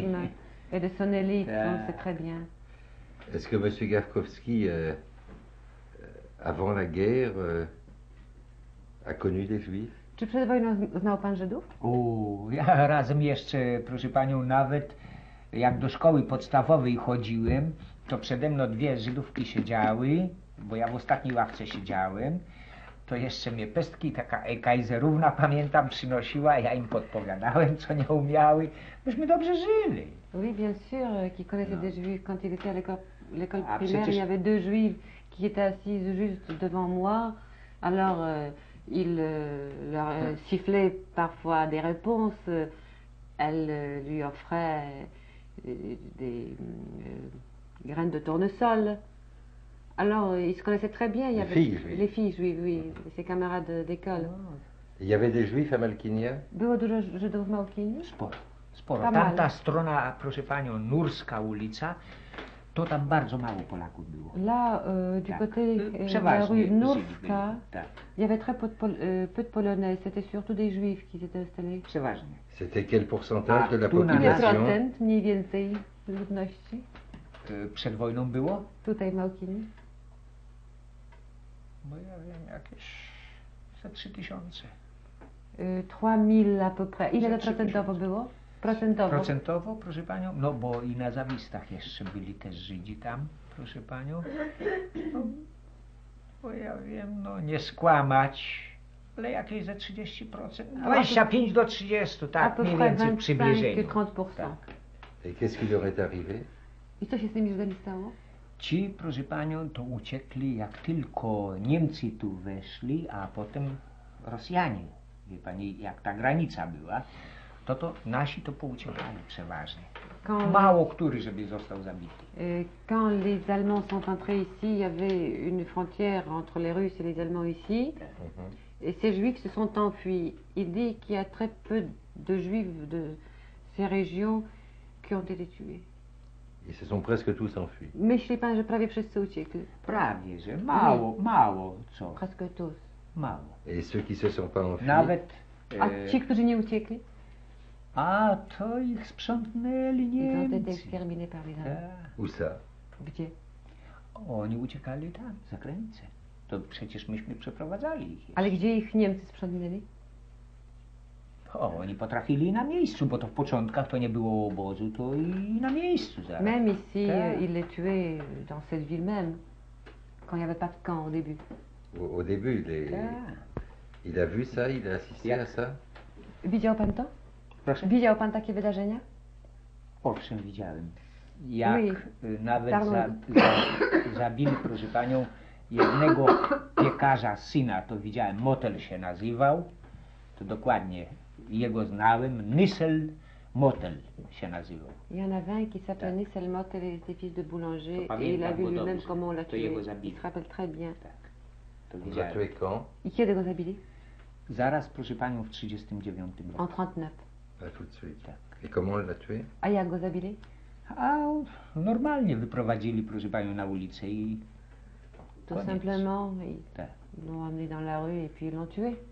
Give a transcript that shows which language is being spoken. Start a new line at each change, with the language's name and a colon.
French: Fascisme et de son élite, on sait très bien. Est-ce que M. Gavkovski, avant la guerre, a connu des Juifs?
Polish: Czy przed wojną znał pan Żydów? Ja razem jeszcze, proszę panią, nawet jak do szkoły podstawowej chodziłem, to przede mną dwie Żydówki siedziały, bo ja w ostatniej ławce siedziałem, to jeszcze mnie pestki, taka kajzerówna, pamiętam, przynosiła, ja im podpowiadałem, co nie umiały. Myśmy dobrze żyli.
French: Oui, bien sûr, qui connaissait des Juifs quand il était à l'école primaire, il y avait deux Juifs qui étaient assis juste devant moi, alors il leur sifflait parfois des réponses, elle lui offrait des graines de tournesol. Alors, ils se connaissaient très bien. Les filles juives. Les filles juives, oui. Ses camarades d'école. Oh. Il y avait des juifs à Malkinia?
Polish: Było dużo Żydów w Malkinia? Sporo. Sporo. Tamta strona, proszę panią, Nurska ulica, to tam bardzo mało Polaków było.
French: Là, du côté de la rue Nurska, il y avait très peu de Polonais. C'était surtout des juifs qui étaient installés.
Polish: Przeważnie.
French: C'était quel pourcentage de la population?
Polish: 1% mniej więcej ludności. Przed wojną było? Tutaj w Małkini. Bo ja wiem, jakieś ze 3000.
French: 3000 a peu près.
Polish: Ile to procentowo było? Procentowo? Procentowo, proszę panią? No bo i na Zawistach jeszcze byli też Żydzi tam, proszę panią. No, bo ja wiem, no nie skłamać, ale jakieś ze 30%. 25 do 30, tak, mniej więcej przybliżenie.
French: A to près 25-30%. Tak. I qu'est-ce qui leur est arrivé?
Polish: I co się z nimi Żydami stało? Ci, proszę panią, to uciekli, jak tylko Niemcy tu weszli, a potem Rosjanie. Wie pani, jak ta granica była, to nasi to pouciekali przeważnie.
French: Quand
Polish: mało który, żeby został zabity.
French: Quand les Allemands sont entrés ici, il y avait une frontière entre les Russes et les Allemands ici, et ces Juifs se sont enfuis. Il dit qu'il y a très peu de Juifs de ces régions qui ont été tués. I se są presque tous enfuis.
Polish: Myśli pan, że prawie wszyscy uciekli? Prawie, że mało, mało co.
French: Presque tous.
Polish: Mało.
French: I ceux qui se sont pas enfuis?
Polish: Nawet... A ci, którzy nie uciekli? A to ich sprzątnęli Niemcy. I to też
French: terminé par les Allemands. Où ça?
Polish: Gdzie? Oni uciekali tam, za granicę. To przecież myśmy przeprowadzali ich. Ale gdzie ich Niemcy sprzątnęli? Oni potrafili na miejscu, bo to w początkach to nie było obozu, to i na miejscu zaraz.
French: Même ici, il les tuait dans cette ville même, quand il n'y avait pas de camp au début. Au début, il a vu ça, il a assisté à ça.
Polish: Widział pan to? Proszę. Widział pan takie wydarzenia? Owszem, widziałem. Jak nawet zabili, proszę panią, jednego piekarza syna, to widziałem, motel się nazywał, to dokładnie. Jego znałem, Nissel Motel się nazywał.
French: Jan Avin, qui s'appelle Nissel Motel, il était fils de boulanger, et il a vu lui-même comment on l'a tué. Il se rappelle très bien. On l'a tué quand?
Polish: I kiedy go zabili? Zaraz, proszę panią, w 39 roku.
French: En 39. A tout de suite. Et comment on l'a tué?
Polish: A jak go zabili? A normalnie wyprowadzili, proszę panią, na ulicę i...
French: Tout simplement, l'ont amené dans la rue et puis ils l'ont tué.